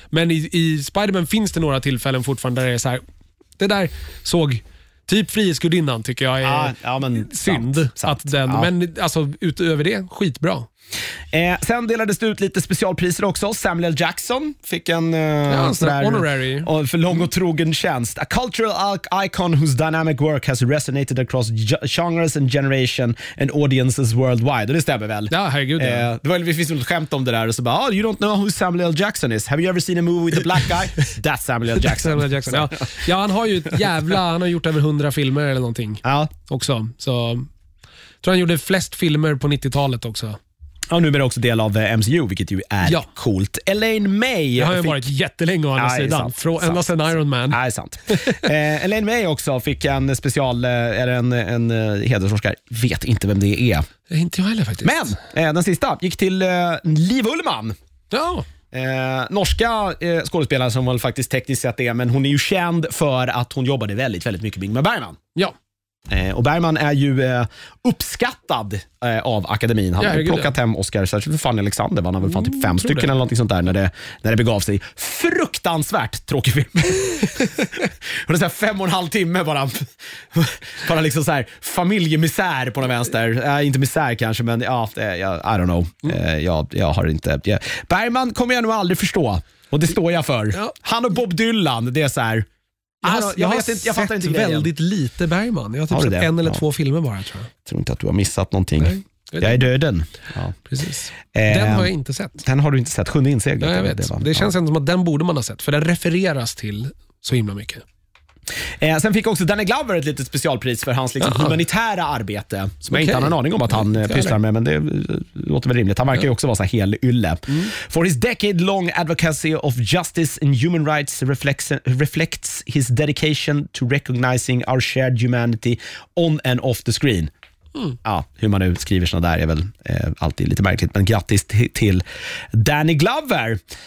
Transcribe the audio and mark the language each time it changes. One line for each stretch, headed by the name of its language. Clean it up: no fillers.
Swedish: Men i Spider-Man finns det några tillfällen fortfarande där det är så här, det där såg typ Frihetsgudinnan, tycker jag, är men synd. Sant. Att den, men alltså, utöver det, skitbra. Sen delades det ut lite specialpriser också. Samuel L. Jackson fick en sådär,
English: honorary
Swedish: för lång och trogen tjänst.
English: A cultural icon whose dynamic work has resonated across genres and generation and audiences worldwide.
Swedish: Och det stämmer väl. Ja, herregud. Det var, vi finns ett skämt om det där, och så bara,
English: oh, you don't know who Samuel L. Jackson is. Have you ever seen a movie with a black guy? That's Samuel L. Jackson. Samuel L. Jackson.
Swedish: Ja, han har ju ett jävla, han har gjort över 100 filmer eller någonting. Ja, också. Så tror han gjorde flest filmer på 90-talet också. Ja, nu är det också del av MCU, vilket ju är coolt. Elaine May. Det har ju varit jättelänge å andra sidan. Ända sedan Iron Man. Nej, sant. Elaine May också fick en special, eller en hedersforskare. Vet inte vem det är. Inte jag heller faktiskt. Men den sista gick till Liv Ullmann. Ja. Norska skådespelare som väl faktiskt tekniskt sett är. Men hon är ju känd för att hon jobbade väldigt, väldigt mycket med Ingmar Bergman. Ja. Och Bergman är ju uppskattad av akademin. Han har plockat hem Oscar, särskilt för Fanny Alexander. Han har väl fan typ 5 stycken eller någonting sånt där när det begav sig. Fruktansvärt tråkig film. Och det är så här 5,5 timme bara. Bara liksom så här familjemisär på den vänster. Inte misär kanske, men ja,
English: I don't know.
Swedish: Jag har inte. Bergman kommer jag nog aldrig förstå. Och det står jag för. Ja. Han och Bob Dylan, det är så här. Jag har sett inte väldigt lite Bergman. Jag har typ sett en eller två filmer bara, tror jag. Tror inte att du har missat någonting. Nej. Jag är döden. Ja, precis. Den har jag inte sett. Den har du inte sett, sjunde inseglet. Ja, jag vet. Det känns ändå som att den borde man ha sett, för den refereras till så himla mycket. Sen fick också Danny Glover ett litet specialpris för hans liksom humanitära arbete, som jag inte har någon aning om att han pysslar med, men det låter väl rimligt. Han verkar ju också vara så hel ylle.
English: For his decade long advocacy of justice and human rights reflects his dedication to recognizing our shared humanity on and off the screen.
Swedish: Ja, hur man nu skriver såna där är väl alltid lite märkligt, men grattis till Danny Glover.